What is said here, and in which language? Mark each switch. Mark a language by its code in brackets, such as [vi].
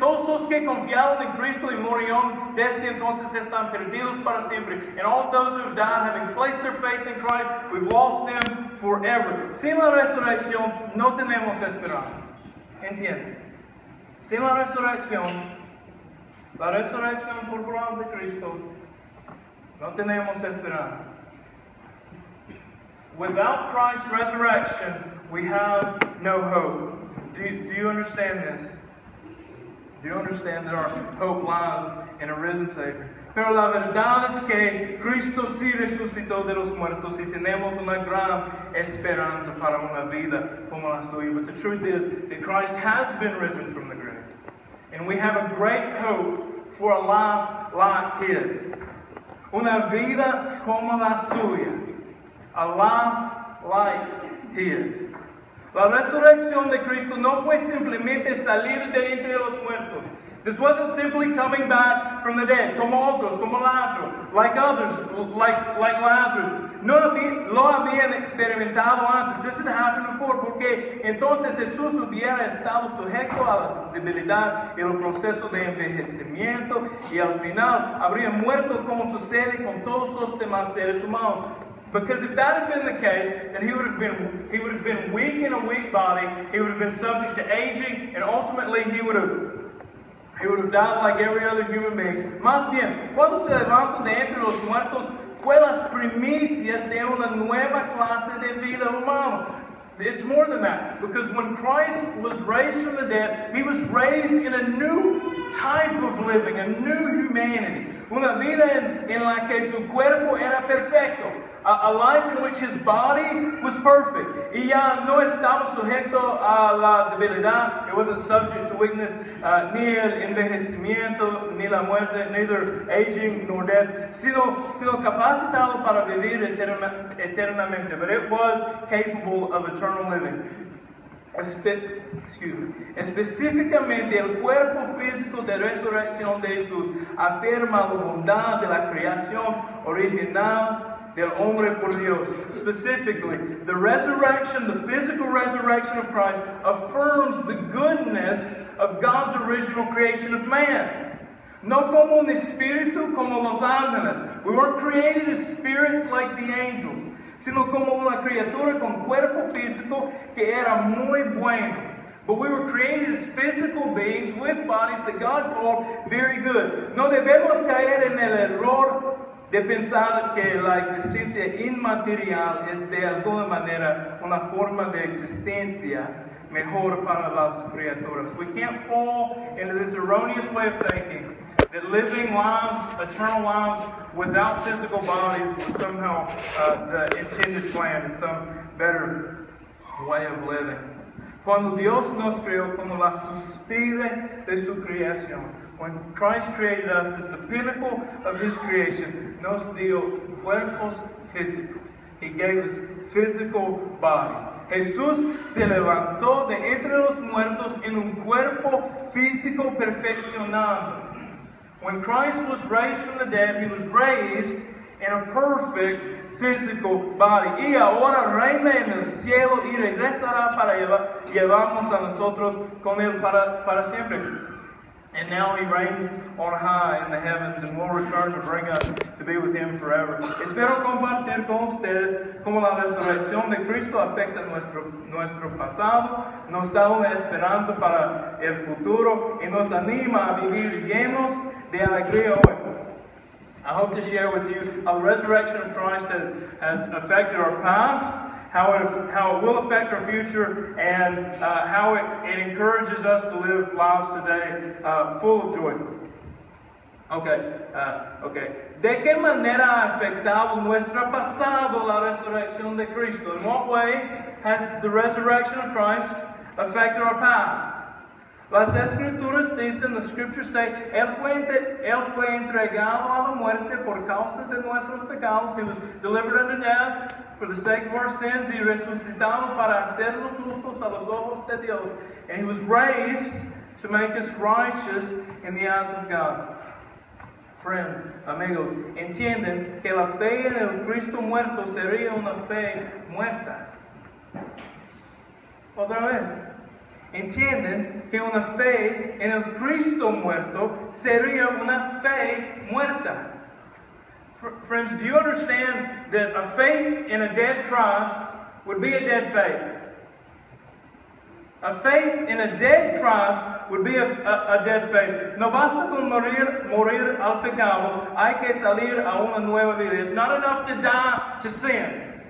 [es] Todos los que confiaron en Cristo y murieron desde entonces están perdidos para siempre. [en] And all those who have died, having placed their faith in Christ, we've lost them forever. [es] Sin la resurrección, no tenemos esperanza. ¿Entiende? Sin la resurrección corporal de Cristo, no tenemos esperanza. [en] Without Christ's resurrection, we have no hope. Do you understand this? Do you understand that our hope lies in a risen Savior? [es] Pero la verdad es que Cristo sí resucitó de los muertos y tenemos una gran esperanza para una vida como la suya. [en] But the truth is that Christ has been risen from the grave. And we have a great hope for a life like His. [es] Una vida como la suya. [en] A life like His. [es] La resurrección de Cristo no fue simplemente salir de entre los muertos. [en] This wasn't simply coming back from the dead, [es] como otros, como Lázaro, [en] like others, like Lázaro. [es] No lo habían experimentado antes. [en] This had happened before, [es] porque entonces Jesús hubiera estado sujeto a la debilidad y los procesos de envejecimiento, y al final habría muerto como sucede con todos los demás seres humanos. [en] Because if that had been the case, then he would have been weak in a weak body. He would have been subject to aging, and ultimately he would have died like every other human being. [es] Más bien, cuando se levantó de entre los muertos, fue las primicias de una nueva clase de vida humana. [en] It's more than that, because when Christ was raised from the dead, he was raised in a new type of living, a new humanity. [es] Una vida en la que su cuerpo era perfecto. [en] A life in which his body was perfect. [es] Y ya no estaba sujeto a la debilidad. [en] It wasn't subject to weakness, [es] ni el envejecimiento, ni la muerte, [en] neither aging nor death, [es] sino capacitado para vivir eternamente. [en] But it was capable of eternal living. [es] Específicamente, el cuerpo físico de resurrección de Jesús afirma la bondad de la creación original del hombre por Dios. [en] Specifically, the resurrection, the physical resurrection of Christ, affirms the goodness of God's original creation of man. [es] No como un espíritu como los ángeles. [en] We weren't created as spirits like the angels, [es] sino como una criatura con cuerpo físico que era muy bueno. [en] But we were created as physical beings with bodies that God called very good. [es] No debemos caer en el error de pensar que la existencia inmaterial es de alguna manera una forma de existencia mejor para las criaturas. [en] We can't fall into this erroneous way of thinking that living lives, eternal lives, without physical bodies was somehow the intended plan and some better way of living. [es] Cuando Dios nos creó como la sustide de su creación, [en] when Christ created us as the pinnacle of his creation, [es] nos dio cuerpos físicos. [en] He gave us physical bodies. [es] Jesús se levantó de entre los muertos en un cuerpo físico perfeccionado. [en] When Christ was raised from the dead, he was raised in a perfect physical body. [es] Y ahora reina en el cielo y regresará para llevarnos a nosotros con él para siempre. [en] And now he reigns on high in the heavens and will return to bring us to be with him forever. [es] Espero compartir con ustedes cómo la resurrección de Cristo afecta nuestro pasado, nos da una esperanza para el futuro y nos anima a vivir llenos de alegría hoy. [en] I hope to share with you how the resurrection of Christ has affected our past, how it will affect our future, and how it encourages us to live lives today full of joy. Okay. [es] ¿De qué manera ha afectado nuestro pasado la resurrección de Cristo? [en] In what way has the resurrection of Christ affected our past? [es] Las escrituras dicen, [en] the scriptures say, [es] él fue entregado a la muerte por causa de nuestros pecados. [en] He was delivered unto death for the sake of our sins. [es] Y resucitado para hacernos justos a los ojos de Dios. [en] And he was raised to make us righteous in the eyes of God. Friends, [es] amigos, entienden que la fe en el Cristo muerto sería una fe muerta. Otra vez. Entienden que una fe en el Cristo muerto sería una fe muerta. [en] Friends, do you understand that a faith in a dead Christ would be a dead faith? A faith in a dead Christ would be a dead faith. [es] No basta con morir al pecado, hay que salir a una nueva vida. [en] It's not enough to die to sin.